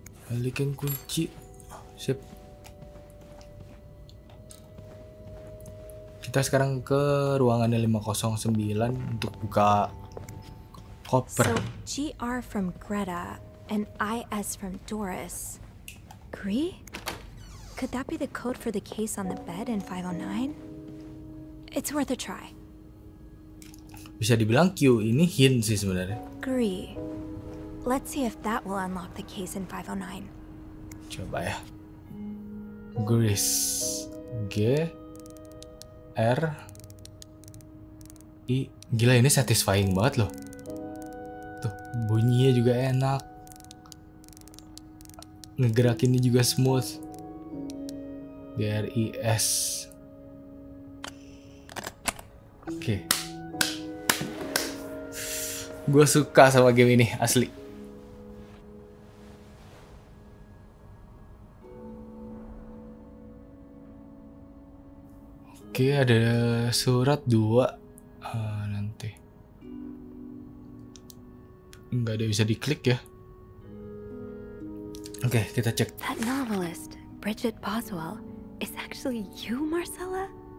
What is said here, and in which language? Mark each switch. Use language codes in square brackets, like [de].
[id] Balikin kunci. Sip. Kita sekarang ke ruangannya 509 untuk buka koper. [en] So, GR from Greta and IS from Doris. Gri? Could that be the code for the case on the bed in 509? It's worth a try. [id] Bisa dibilang Q ini hint sih sebenarnya. Gri. [en] Let's see if that will unlock the case in 509. [id] Coba ya. Gris. G. R. I. Gila, ini satisfying banget loh. Tuh, bunyinya juga enak. Ngegerakinnya juga smooth. G. R. I. S. Oke. Gue suka sama game ini, asli. Oke, ada surat 2. Nanti. Enggak ada bisa diklik ya. Oke, kita cek. [en] That novelist, Bridget Boswell, is actually you, Marcella?